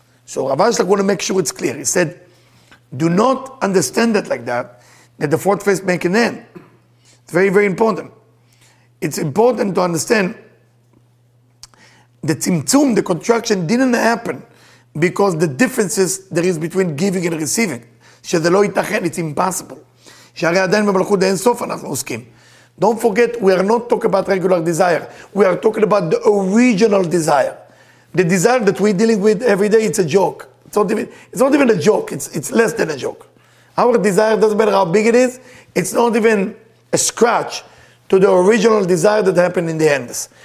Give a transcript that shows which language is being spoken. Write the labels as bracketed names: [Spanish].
[English] So, Rav Ashlag want to make sure it's clear. He said, do not understand it like that, that the fourth phase make an end. It's very, very important. It's important to understand the tzimtzum, the contraction, didn't happen because the differences there is between giving and receiving. [Hebrew] שזה לא ייתכן, [English] it's impossible. [Hebrew] שהרי עדיין במלכות אין סוף אנחנו עוסקים. [English] Don't forget, we are not talking about regular desire. We are talking about the original desire. The desire that we're dealing with every day, it's a joke. It's not even a joke, it's less than a joke. Our desire, doesn't matter how big it is, it's not even a scratch to the original desire that happened in the endless.